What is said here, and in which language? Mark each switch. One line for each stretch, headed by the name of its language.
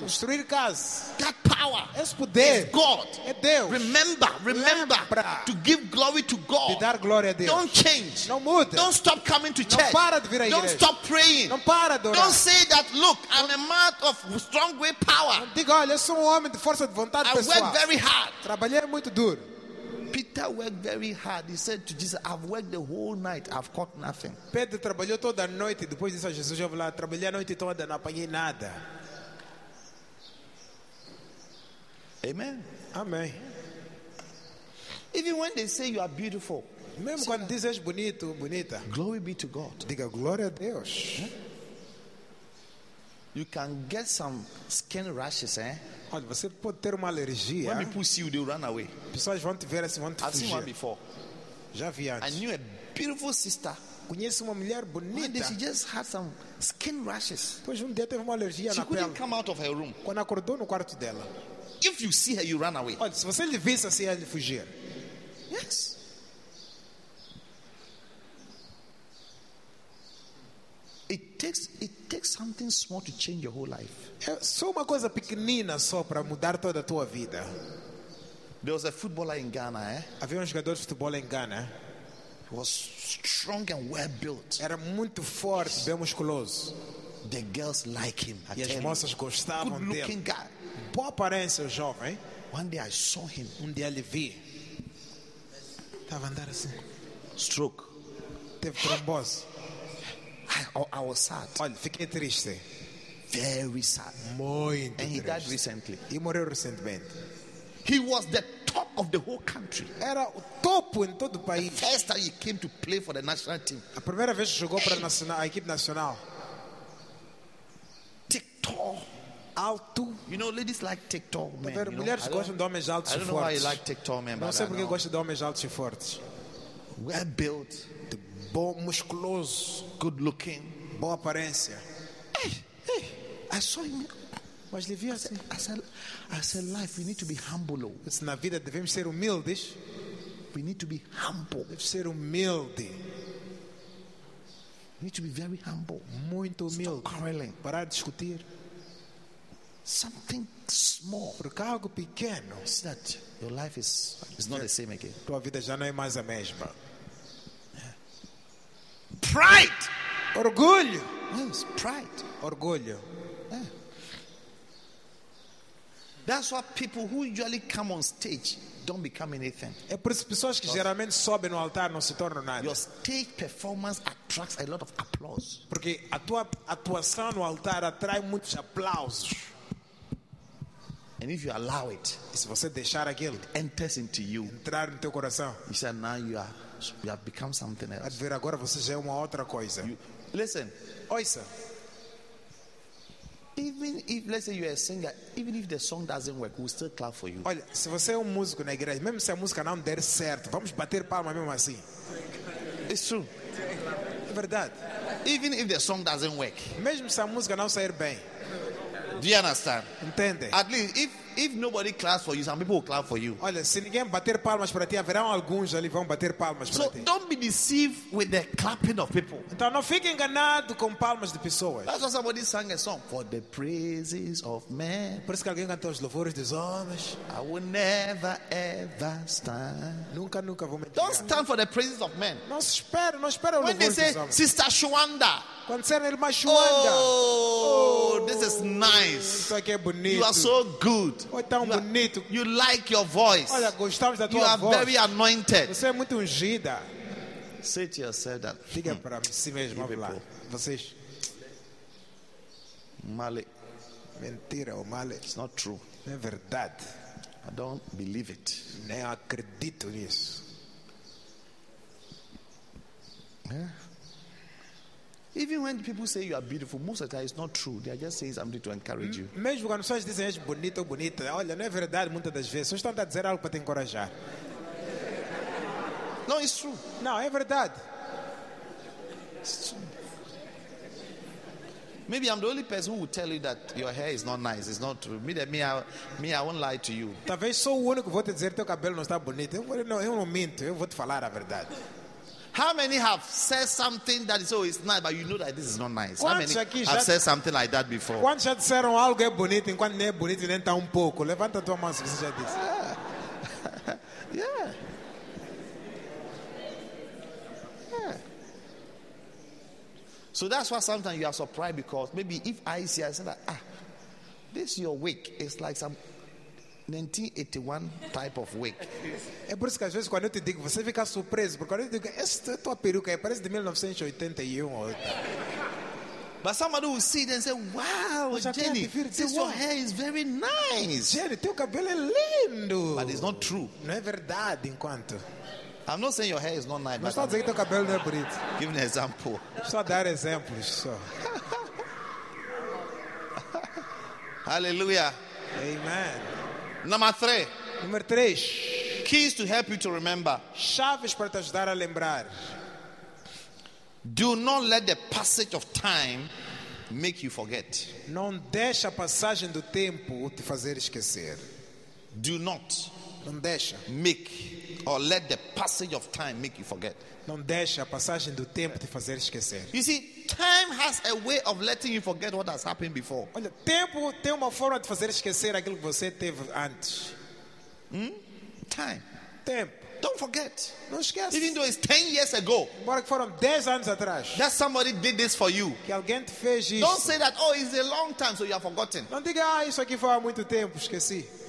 Portuguese: Construir casa.
English: That power.
Portuguese: Esse poder.
English: Is God.
Portuguese: É Deus.
English: Remember. Remember.
Portuguese: Lembra.
English: To give glory to God.
Portuguese: De dar glória a Deus.
English: Don't change.
Portuguese: Não mude.
English: Don't stop coming to church.
Portuguese: Não para de vir à igreja.
English: Don't stop praying.
Portuguese: Não para de orar.
English: Don't say that, look, I'm a man of strong will power.
Portuguese: Diga, olha, eu sou um homem de força de vontade pessoal.
English: I work very hard.
Portuguese: Trabalhei muito duro.
English: Peter Peter worked very hard. He said to Jesus, I've worked the whole night, I've caught nothing.
Portuguese: Pedro trabalhou toda a noite. Depois disse a Jesus, eu vou lá, trabalhei a noite toda, não apanhei nada.
English: Amen.
Portuguese: Amém.
English: Even when they say you are beautiful,
Portuguese: mesmo quando dizes bonito, bonita,
English: glory be to God.
Portuguese: Diga glória a Deus. Huh?
English: You can get some skin rashes, eh?
Portuguese: Olha, você pode ter uma alergia.
English: When people see you, they run away.
Portuguese: Pessoas vão te ver assim, vão te fugir.
English: I've seen one before.
Portuguese: Já vi antes.
English: I knew a beautiful sister.
Portuguese: Conheço uma mulher bonita.
English: And she just had some skin rashes.
Portuguese: Pois um dia teve uma alergia
English: she
Portuguese: na pele.
English: She couldn't come out of her room.
Portuguese: Quando acordou no quarto dela.
English: If you see her, you run away.
Portuguese: Olha, se você lhe visse assim, ela fugir.
English: Yes. It takes something small to change your whole life.
Portuguese: É só uma coisa pequenina só para mudar toda a tua vida.
English: There was a footballer in Ghana, eh?
Portuguese: Havia jogador de futebol em Ghana.
English: He was strong and well built.
Portuguese: Era muito forte, bem musculoso.
English: The girls like him.
Portuguese: E as moças gostavam dele.
English: Good looking guy.
Portuguese: Boa aparência, jovem.
English: One day I saw him.
Portuguese: Um dia lhe vi. Estava andando assim.
English: Stroke.
Portuguese: Teve trombose.
English: I was sad.
Portuguese: Olha, fiquei triste.
English: Very sad.
Portuguese: Muito
English: and
Portuguese: triste.
English: He died recently.
Portuguese: E morreu recentemente.
English: He was the talk of the whole country.
Portuguese: Era o topo em todo o país.
English: The first time he came to play for the national team.
Portuguese: A primeira vez que jogou para a equipe nacional.
English: TikTok.
Portuguese: Alto.
English: You know, ladies like TikTok, man.
Portuguese: Ver, mulheres gostam de homens altos e fortes.
English: I don't know why you like TikTok, man.
Portuguese: Não sei porque gostam de homens altos e fortes.
English: Well built.
Portuguese: Bom, musculoso,
English: good looking,
Portuguese: boa aparência.
English: Hey, I saw him.
Portuguese: Mas lhe vi assim.
English: I said, life, we need to be humble. It's
Portuguese: na vida devemos ser humildes.
English: We need to be humble.
Portuguese: Devemos ser humilde.
English: We need to be very humble.
Portuguese: Muito humilde.
English: Stop quarreling.
Portuguese: Parar de discutir.
English: Something small.
Portuguese: Porque algo pequeno.
English: See that your life is not the same again.
Portuguese: Tua vida já não é mais a mesma.
English: Pride,
Portuguese: orgulho.
English: Yes, pride,
Portuguese: orgulho.
English: Yeah. That's why people who usually come on stage don't become anything.
Portuguese: É por isso pessoas que geralmente sobem no altar não se tornam nada.
English: Your stage performance attracts a lot of applause.
Portuguese: Porque a tua atuação no altar atrai muitos aplausos.
English: And if you allow it,
Portuguese: e se você deixar aquilo,
English: it enters into you.
Portuguese: Entrar no teu coração.
English: You say now you are. You have become something else.
Portuguese: Ver agora você já é uma outra coisa.
English: Listen,
Portuguese: ouça.
English: Even if let's say you are a singer, even if the song doesn't work, we'll still clap for you.
Portuguese: Olha, se você é músico na igreja, mesmo se a música não der certo, vamos bater palma mesmo assim.
English: It's true.
Portuguese: É verdade.
English: Even if the song doesn't work,
Portuguese: mesmo se a música não sair bem,
English: do you understand?
Portuguese: Entende?
English: At least if nobody claps for you, some people will clap for you.
Portuguese: Olha, se ninguém bater palmas para ti, haverão alguns ali vão bater palmas para ti.
English: So don't be deceived with the clapping of people.
Portuguese: Então não fique enganado com palmas de pessoas.
English: That's why somebody sang a song for the praises of men.
Portuguese: Por isso que alguém cantou os louvores dos homens.
English: I will never ever stand.
Portuguese: Nunca vou me dizer.
English: Don't stand for the praises of men.
Portuguese: Não espera os louvores dos homens.
English: When they say, Sister Shwanda. Concerning
Portuguese: irmã
English: Shwanda. Oh, this is nice.
Portuguese: Isso aqui é bonito.
English: You are so good.
Portuguese: Oi, tão bonito.
English: You like your voice.
Portuguese: Olha, gostamos da tua
English: you
Portuguese: voz.
English: You are very anointed.
Portuguese: Você é muito ungida.
English: Say to yourself that.
Portuguese: Diga para si mesmo, vamos lá. Vocês.
English: Male.
Portuguese: Mentira, o male.
English: It's not true.
Portuguese: Não é verdade.
English: I don't believe it.
Portuguese: Nem acredito nisso.
English: Even when people say you are beautiful, most of the time it's not true. They are just saying something to encourage you.
Portuguese: Mesmo quando pessoas dizem que és bonita ou bonita, olha, não é verdade muitas das vezes. Só estão a dizer algo para te encorajar.
English: No, it's true.
Portuguese: Não, é verdade.
English: It's true. Maybe I'm the only person who will tell you that your hair is not nice. It's not true. Me, I won't lie to you.
Portuguese: Talvez sou o único que vou te dizer que teu cabelo não está bonito. Eu não minto, eu vou te falar a verdade.
English: How many have said something that is always nice, but you know that this is not nice?
Portuguese: Quantos
English: how many
Portuguese: aqui já
English: have said something like that before?
Portuguese: Quantos já disseram algo é bonito, enquanto não é bonito, nem está pouco? Levanta a tua mão se você já disse.
English: Yeah. Yeah. So that's why sometimes you are surprised because maybe if I see, I say that, this your wig is like some 1981 type of wig.
Portuguese: É por isso que às vezes quando eu te digo, você fica surpreso, porque quando eu te digo, esta tua peruca parece de 1981.
English: But somebody will see it and say, wow, Jenny, this your hair is very nice.
Portuguese: Jenny, teu cabelo é lindo.
English: But it's not true.
Portuguese: Não é verdade enquanto.
English: I'm not saying your hair is not nice.
Portuguese: Não estou a dizer que teu cabelo não é bonito.
English: Give an example.
Portuguese: Só dar exemplos. Só.
English: Hallelujah. Amen. Number three.
Portuguese: Número três.
English: Keys to help you to remember.
Portuguese: Chaves para te ajudar a lembrar.
English: Do not let the passage of time make you forget.
Portuguese: Não deixa a passagem do tempo te fazer esquecer.
English: Do not.
Portuguese: Não deixa.
English: Make or let the passage of time make you forget.
Portuguese: Não deixa a passagem do tempo te fazer esquecer.
English: You see, time has a way of letting you forget what has happened before.
Portuguese: Olha, tempo tem uma forma de fazer esquecer aquilo que você teve antes.
English: Time.
Portuguese: Tempo.
English: Don't forget.
Portuguese: Não esquece.
English: Even though it's 10 years ago.
Portuguese: Embora que foram 10 anos atrás.
English: That somebody did this for you.
Portuguese: Que alguém te fez isso.
English: Don't say that, oh, it's a long time, so you have forgotten.
Portuguese: Não diga, ah, isso aqui foi há muito tempo, esqueci.